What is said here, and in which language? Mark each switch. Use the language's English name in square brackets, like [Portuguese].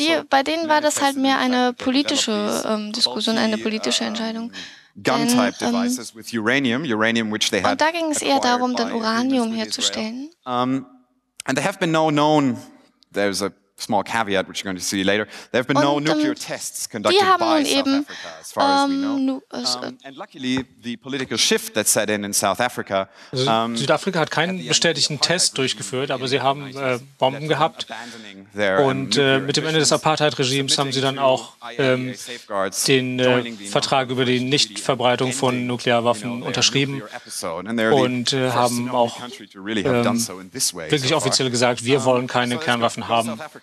[German] Bei denen war das halt mehr eine politische Diskussion, eine politische Entscheidung. [English] Gun-type devices with uranium, which they had. [German] Und da ging es eher darum, dann Uranium herzustellen. [English] And there have been no known. There's a small caveat, which you're going to see later. There have been no nuclear tests conducted by South Africa, as far as we know. And luckily, the political shift that set in South Africa. [German] Südafrika hat keinen bestätigten Test durchgeführt, aber sie haben Bomben gehabt. Und mit dem Ende des Apartheid-Regimes haben sie dann auch den Vertrag über die Nichtverbreitung von Nuklearwaffen unterschrieben und haben auch wirklich offiziell gesagt, wir wollen keine Kernwaffen haben.